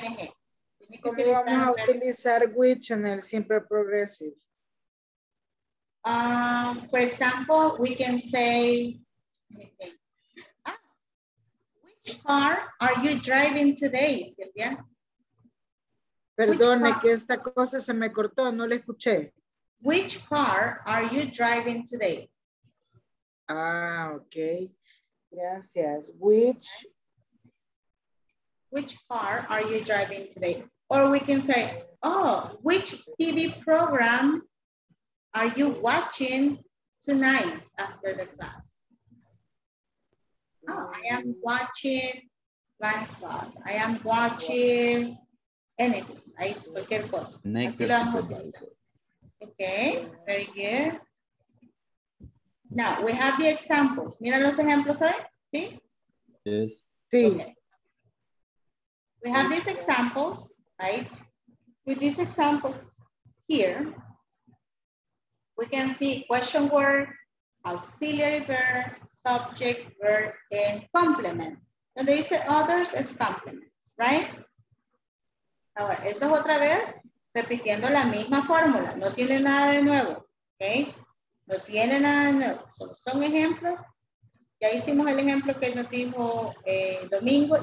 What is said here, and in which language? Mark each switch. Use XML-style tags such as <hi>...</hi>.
<es>Tiene que utilizar vamos a utilizar which en el simple progressive.</es> <en>For example, we can say, which car are you driving today, Silvia?</en> <es>Perdone que esta cosa se me cortó, no la escuché.</es> <en>Which car are you driving today? Ah, okay. Gracias. Which? Which car are you driving today? Or we can say, oh, which TV program are you watching tonight after the class? Oh, I am watching blank spot. I am watching anything, right?</en> <es>Cualquier cosa.</es> <en>Next. Okay, very good. Now we have the examples.</en> <es>Mira los ejemplos hoy. ¿Sí?</es> <en>Yes.</en> <es>Sí. Okay.</es> <en>We have these examples, right? With this example here, we can see question word, auxiliary verb, subject verb, and complement.</en> <es>Donde dice others es complements, right? Ahora, esto es otra vez repitiendo la misma fórmula. No tiene nada de nuevo, okay? No tiene nada de nuevo. Solo son ejemplos. Ya hicimos el ejemplo que nos dijo Domingo.</es>